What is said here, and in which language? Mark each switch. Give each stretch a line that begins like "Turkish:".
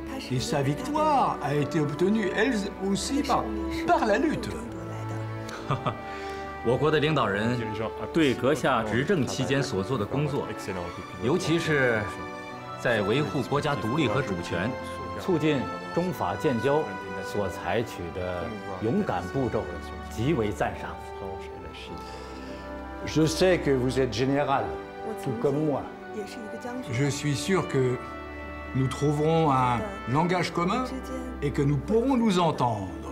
French: Et sa victoire a été obtenue, elle aussi, par la lutte.
Chinese: 我国的领导人对阁下执政期间所做的工作，尤其是在维护国家独立和主权、促进中法建交所采取的勇敢步骤，极为赞赏。
French: Je sais que vous êtes général, tout comme moi. Je suis sûr que nous trouverons un langage commun et que nous pourrons nous entendre.